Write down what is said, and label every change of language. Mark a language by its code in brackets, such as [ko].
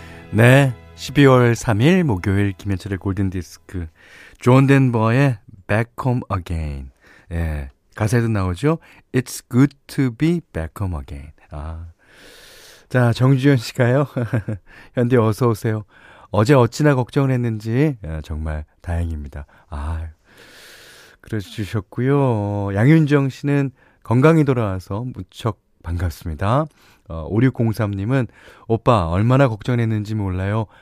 [ko] 네, 12월 3일 목요일 김현철의 골든디스크. 존 덴버의 Back Home Again. 예, 가사에도 나오죠. [en] It's good to be back home again. [ko] 아, 자, 정주현 씨가요. 현디 어서 오세요. 어제 어찌나 걱정을 했는지 정말 다행입니다. 아, 그러셨고요. 양윤정 씨는 건강이 돌아와서 무척 반갑습니다. 5603님은 오빠 얼마나 걱정했는지 몰라요.